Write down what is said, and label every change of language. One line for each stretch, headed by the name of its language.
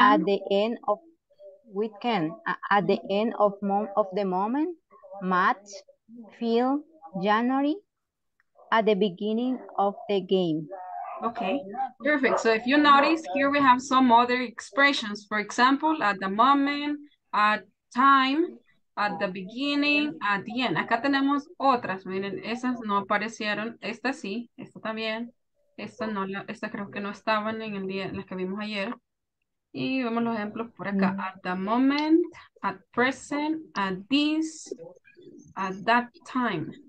English: at the end of weekend, at the end of the moment, March, feel January, at the beginning of the game. Okay, perfect. So if you notice here, we have some other expressions. For example, at the moment, at time, at the beginning, at the end.
Spanish: Acá tenemos otras. Miren, esas no aparecieron. Esta sí, esta también. Esta no, esta creo que no estaban en el día en las que vimos ayer. Y vemos los ejemplos por acá.
English: At the moment, at present, at this, at that time.